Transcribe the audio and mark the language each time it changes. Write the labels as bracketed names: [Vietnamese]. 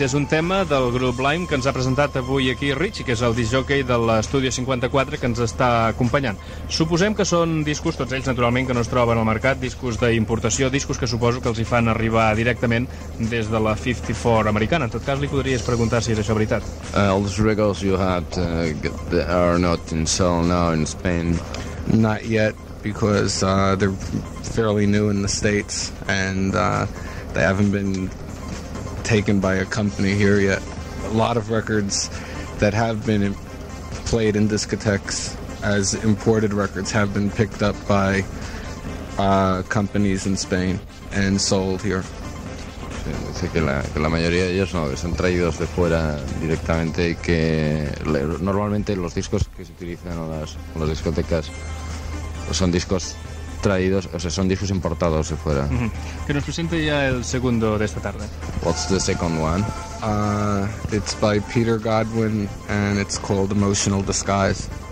[Catalan] És un tema del grup Lime que ens ha presentat avui aquí Richie, que és el disc jockey de l'Estudi 54 que ens està acompanyant. Suposem que són discos, tots ells naturalment, que no es troben al mercat, discos d'importació, discos que suposo que els hi fan arribar directament des de la 54 americana. En tot cas, li podries preguntar si és això veritat. [English] All the records you had are not in sale now in Spain. Not yet, because they're fairly new in the States and they haven't been taken by a company here yet. A lot of records that have been played in discotheques as imported records have been picked up by companies in Spain and sold here. [Spanish] Sí, dice que la mayoría de ellos no, que son traídos de fuera directamente y que normalmente los discos que se utilizan en las discotecas son discos traídos, o sea, son discos importados de fuera. Que nos presente ya el segundo de esta tarde. [English] What's the second one? It's by Peter Godwin and it's called Emotional Disguise.